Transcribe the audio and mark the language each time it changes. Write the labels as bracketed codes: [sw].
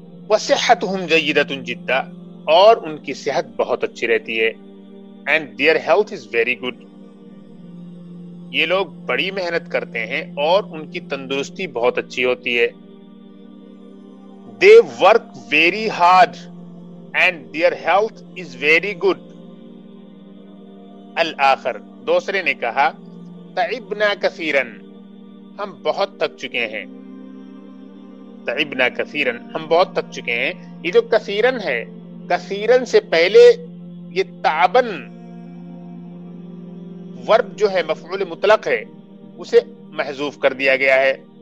[ar] وصحتهم جیدۃ جدا، [ur] اور ان کی صحت بہت اچھی رہتی ہے. [en] and their health is very good, [ur] یہ لوگ بڑی محنت کرتے ہیں اور ان کی تندرستی بہت اچھی ہوتی ہے. [en] They work very hard and their health is very good. [ur] الآخر دوسرے نے کہا [ar] تعبنا کثیرا، [ur] ہم بہت تھک چکے ہیں. [ar] تعبنا کثیرا، [ur] ہم بہت تھک چکے ہیں. یہ جو کثیرا ہے، کثیرا سے پہلے یہ تعبن ورب جو ہے مفعول مطلق ہے اسے محذوف کر دیا گیا ہے.